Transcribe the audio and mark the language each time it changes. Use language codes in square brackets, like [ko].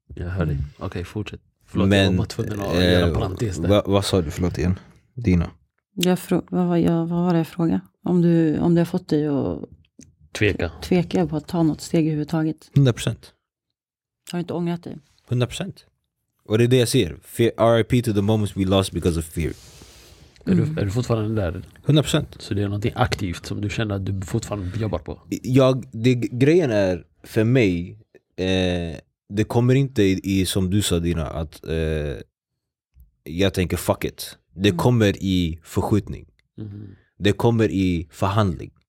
[sv] Jag hör dig. Okej, okay, fortsätt. Förlåt, men, jag var tvungen att göra en parentes där. Vad sa du? Förlåt igen. Dina. Vad var det jag fråga? Om det har fått dig att... Tveka jag på att ta något steg överhuvudtaget? 100%. Har du inte ångrat dig? 100%. Och det är det jag ser. [en] RIP to the moments we lost because of fear. [sv] Är du fortfarande där? 100%. Så det är något aktivt som du känner att du fortfarande jobbar på? Grejen är, för mig, det kommer inte i som du sa, Dina, att jag tänker [en] fuck it. [sv] Det kommer i förskjutning. Det kommer i förhandling.